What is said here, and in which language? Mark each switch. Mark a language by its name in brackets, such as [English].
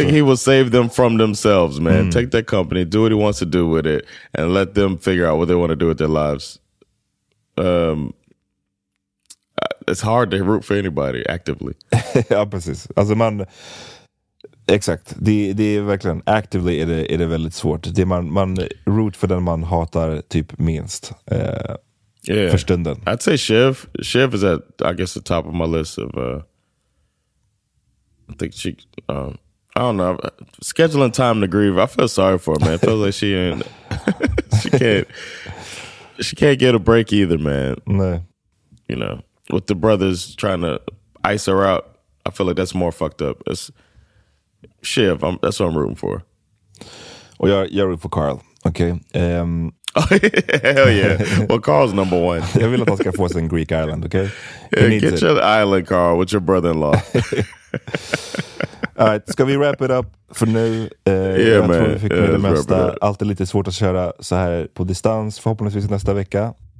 [English] Think he will save them from themselves, man. Mm. Take that company, do what he wants to do with it, and let them figure out what they want to do with their lives. It's hard to root for anybody, actively. [Swedish] Ja, precis. Alltså man... Exakt, det är verkligen actively är det väldigt svårt. Det är man root för den man hatar typ minst för stunden. [English] I'd say Shiv is at, I guess, the top of my list of I think she I don't know, scheduling time to grieve. I feel sorry for her, man. It feels like she ain't she can't get a break either, man. [Swedish] Nej. [English] You know, with the brothers trying to ice her out, I feel like that's more fucked up. It's Shiv, that's what I'm rooting for. [Swedish] Och jag [English] root for Carl. Okay. Hell yeah. Well, Carl's number one. [Swedish] Jag vill att han ska få sin Greek island, okay? [English] Yeah, get it. Your island, Carl, with your brother-in-law. All right, [Swedish] ska vi [English] wrap it up [Swedish] för nu? [English] Yeah, [Swedish] jag [English] man. [Swedish] Tror vi fick med det mesta. Allt är lite svårt att köra så här på distans. Förhoppningsvis nästa vecka.